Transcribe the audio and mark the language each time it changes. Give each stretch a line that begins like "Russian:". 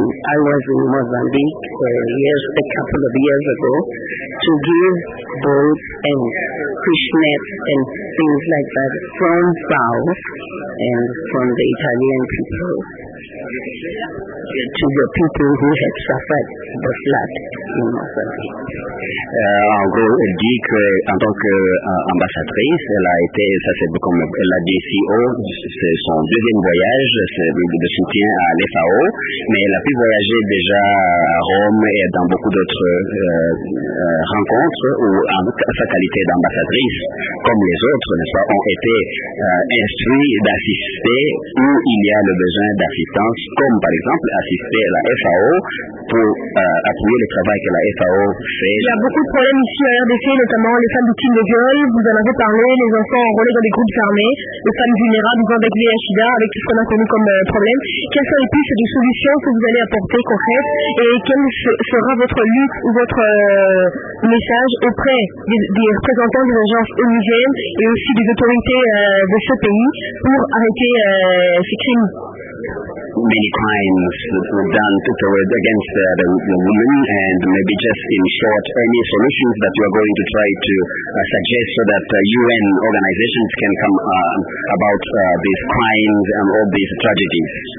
English: I was in Mozambique a couple of years ago to give boats and fish nets and things like that from FAO and from the Italian people to the people who had suffered the flood in Mozambique.
French: En gros, elle dit que en tant qu'ambassadrice, elle a été, ça c'est comme elle a dit, CEO, c'est son deuxième voyage, c'est de soutien à l'FAO, mais elle a pu voyager déjà à Rome et dans beaucoup d'autres rencontres où en sa qualité d'ambassadrice, comme les autres, n'est-ce pas, ont été instruits d'assister où il y a le besoin d'assistance, comme par exemple assister à la FAO pour appuyer le travail que la FAO fait. Il y a beaucoup de problèmes ici à RDC, notamment les femmes victimes de viol, vous en avez parlé, les enfants enrôlés dans des groupes armés, les femmes vulnérables, les enfants avec VIH/SIDA, avec tout ce qu'on a connu comme problème. Quelles sont les pistes de solutions que vous allez apporter concrètes et quelle sera votre lutte ou votre message auprès des représentants des agences onusiennes et aussi des autorités de ce pays pour arrêter ces crimes?
English: many crimes done against the women, and maybe just in short, any solutions that you are going to try to suggest so that UN organizations can come about these crimes and all these tragedies?